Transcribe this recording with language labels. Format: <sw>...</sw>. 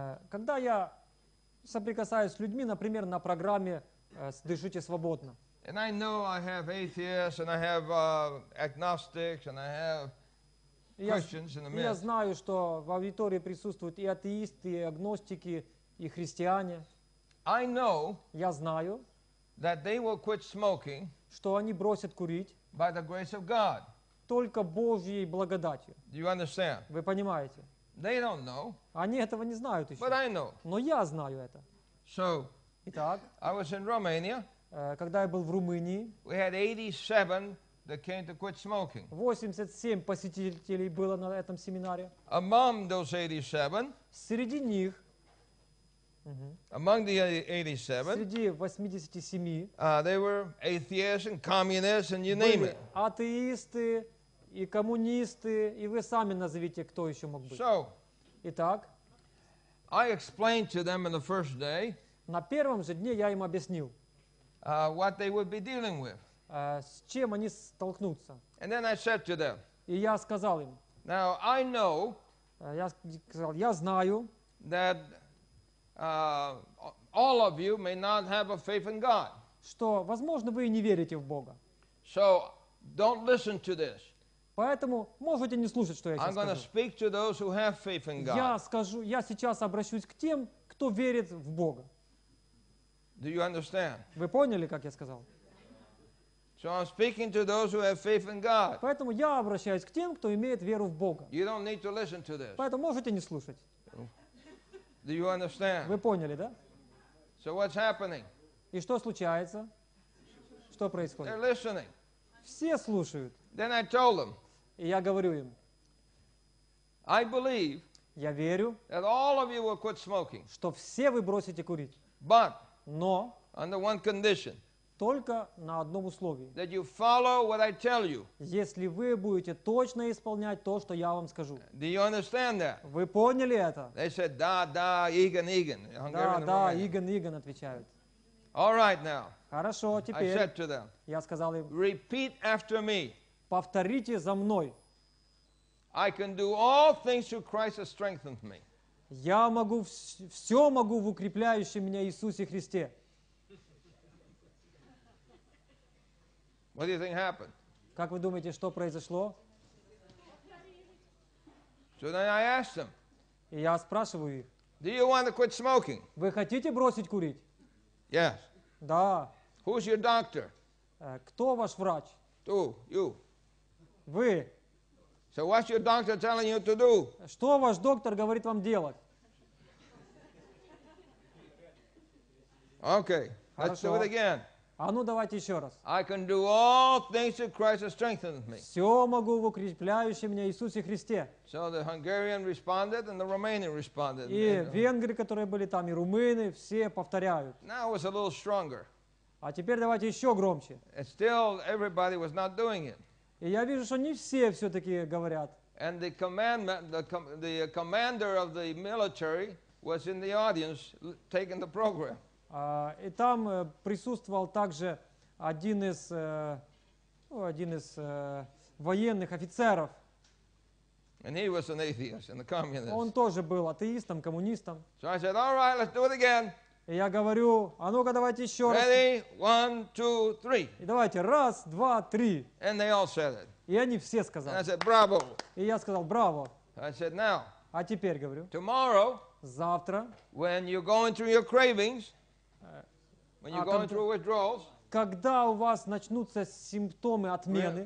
<ru>Когда я соприкасаюсь с людьми, например, на программе «Дышите свободно»,</ru> <en>and I know I have atheists, and I have agnostics, and I have</en> <ru>я знаю, что в аудитории присутствуют и атеисты, и агностики, и христиане.</ru> <en>I know,</en> <ru>я знаю,</ru> <en>that they will quit smoking,</en> <ru>что они бросят курить</ru> <en>by the grace of God.</en> <ru>Только Божьей благодатью.</ru> <en>Do you understand?</en> <ru>Вы понимаете?</ru> <en>They don't know,</en> <ru>они этого не знают еще.</ru> <en>But I know.</en> <ru>Но я знаю это.</ru> <en>So,</en> <ru>итак,</ru> <en>I was in Romania,</en> <ru>когда я был в Румынии,</ru> <en>we had 87 that came to quit smoking.</en> <ru>87 посетителей было на этом семинаре.</ru> <en>Among those 87,</en> <ru>среди них,</ru> <en>among the 87,</en> <ru>среди 87,</ru> <en>they were atheists and communists and you name it.</en> <ru>Атеисты и коммунисты, и вы сами назовите, кто еще мог быть.</ru> <en>So,</en> <ru>итак,</ru> <en>I explained to them in the first day,</en> <ru>на первом же дне я им объяснил,</ru> <en>what they would be dealing with.</en> <ru>С чем они столкнутся.</ru> <en>And then I said to them,</en> <ru>и я сказал им,</ru> <en>now I know,</en> <ru>я сказал, я знаю,</ru> <en>that all of you may not have a faith in God.</en> <ru>Что, возможно, вы и не верите в Бога.</ru> <en>So Don't listen to this.</en> <ru>Поэтому можете не слушать, что я сейчас скажу.</ru> <en>I'm going to speak to those who have faith in God.</en> <ru>Я скажу, я сейчас обращусь к тем, кто верит в Бога.</ru> <en>Do you understand?</en> <ru>Вы поняли, как я сказал?</ru> <en>So I'm speaking to those who have faith in God.</en> <ru>Поэтому я обращаюсь к тем, кто имеет веру в Бога.</ru> <en>You don't need to listen to this.</en> <ru>Поэтому можете не слушать.</ru> <en>Do you understand?</en> <ru>Вы поняли, да?</ru> <en>So what's happening?</en> <ru>И что случается? Что происходит?</ru> <en>They're listening.</en> <ru>Все слушают.</ru> <en>Then I told them.</en> <ru>И я говорю им.</ru> <en>I believe.</en> <ru>Я верю.</ru> <en>That all of you will quit smoking.</en> <ru>Что все вы бросите курить.</ru> <en>But.</en> <ru>Но.</ru> <en>Under one condition.</en> <ru>Только на одном условии.</ru> <en>That you follow what I tell you.</en> <ru>Если вы будете точно исполнять то, что я вам скажу.</ru> <en>Do you understand that?</en> <ru>Вы поняли это?</ru> <en>They said,</en> <ru>да, да,</ru> <en>Иган, Иган.</en> <ru>Да, да, Иган, Иган отвечают.</ru> <en>All right now.</en> <ru>Хорошо, теперь.</ru> <en>I said to them.</en> <ru>Я сказал им.</ru> <en>Repeat after me.</en> <ru>Повторите за мной.</ru> <en>I can do all things through Christ that strengthens me.</en> <ru>Я могу, все могу в укрепляющем меня Иисусе Христе.</ru> <en>What do you think happened?</en> <ru>Как вы думаете, что произошло?</ru> <en>So then I asked them.</en> <ru>И я спрашиваю их.</ru> <en>Do you want to quit smoking?</en> <ru>Вы хотите бросить курить?</ru> <en>Yes.</en> <ru>Да.</ru> <en>Who's your doctor?</en> <ru>Кто ваш врач?</ru> <en>Who? You.</en> <ru>Вы.</ru> <en>So what's your doctor telling you to do?</en> <ru>Что ваш доктор говорит вам делать?</ru> <en>Okay.</en> <ru>Хорошо.</ru> <en>Let's do it again.</en> <ru>А ну давайте еще раз.</ru> <en>I can do all things through Christ that strengthens me.</en> <ru>Все могу в укрепляющем меня Иисусе Христе.</ru> <en>So the Hungarian responded and the Romanian responded.</en> <ru>И венгры, которые были там, и румыны, все повторяют.</ru> <en>Now it was a little stronger.</en> <ru>А теперь давайте еще громче.</ru> <en>And still everybody was not doing it.</en> <ru>И я вижу, что не все все-таки говорят.</ru> <en>And the commandment, the commander of the military was in the audience taking the program.</en> <ru>И там присутствовал также один из, ну, один из военных офицеров.</ru> <en>And he was an atheist and a communist.</en> <ru>Он тоже был атеистом, коммунистом.</ru> <en>So I said, all right, let's do it again.</en> <ru>И я говорю, а ну-ка давайте еще</ru> <en>Ready?</en> <ru>Раз.</ru> <en>Ready? One, two, three.</en> <ru>И давайте, раз, два, три.</ru> <en>And they all said it.</en> <ru>И они все сказали.</ru> <en>And I said, bravo.</en> <ru>И я сказал, браво.</ru> <en>I said, now.</en> <ru>А теперь говорю.</ru> <en>Tomorrow.</en> <ru>Завтра.</ru> <en>When you're going through your cravings. When you're going through withdrawals,</en> <ru>когда у вас начнутся симптомы отмены,</ru>